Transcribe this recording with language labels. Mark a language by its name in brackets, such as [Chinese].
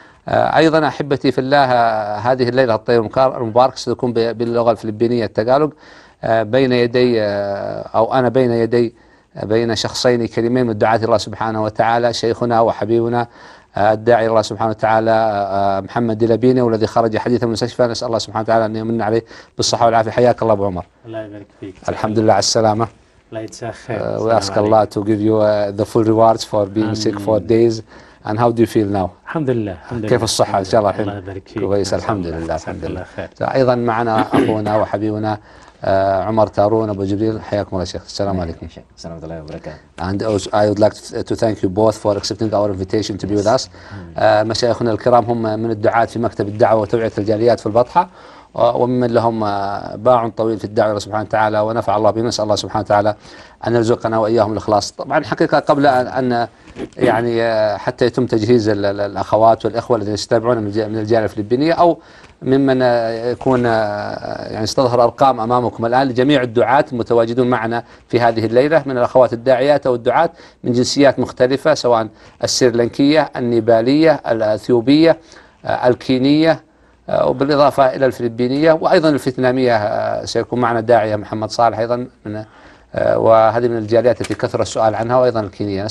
[Arabic] أيضا أحبتي في الله هذه الليلة الطيبة المباركة ستكون باللغة الفلبينية التقالوج، بين يدي أو أنا بين يدي بين شخصين كريمين من دعاة الله سبحانه وتعالى، شيخنا وحبيبنا الداعي الله سبحانه وتعالى محمد دلابيني، والذي خرج حديثا من المستشفى. نسأل الله سبحانه وتعالى أن يمن عليه بالصحة والعافية. حياك الله أبو عمر. الله يبارك فيك. الحمد لله على السلامة. الله يتساهل خير. وأسك الله [English] to give you the full rewards for being sick for days. And how do you feel now? [Arabic] الحمد لله. الحمد كيف الصحة؟ إن شاء الله الحين. الله يبارك فيك. كويس الحمد لله. الحمد لله خير. أيضا معنا أخونا وحبيبنا عمر تارون أبو جبريل، حياكم الله شيخ. السلام عليكم. السلام عليكم وبركاته. [English] And also, I would like to thank you both for accepting our invitation to be with us. [Arabic] مشايخنا الكرام هم من الدعاة في مكتب الدعوة وتوعية الجاليات في البطحة، وممن لهم باع طويل في الدعوة سبحانه وتعالى ونفع الله بهم. نسأل الله سبحانه وتعالى أن يرزقنا وإياهم الإخلاص. طبعا حقيقة قبل أن يعني حتى يتم تجهيز الأخوات والإخوة الذين يتابعون من الجالية الفلبينية أو ممن يكون يعني استظهر أرقام أمامكم الآن لجميع الدعاة المتواجدون معنا في هذه الليلة من الأخوات الداعيات أو الدعاة من جنسيات مختلفة سواء السريلانكية النيبالية الأثيوبية الكينية وبالإضافة إلى الفلبينية وأيضا الفيتنامية سيكون معنا داعية محمد صالح أيضا من وهذه من الجاليات التي كثر السؤال عنها وأيضا الكينية.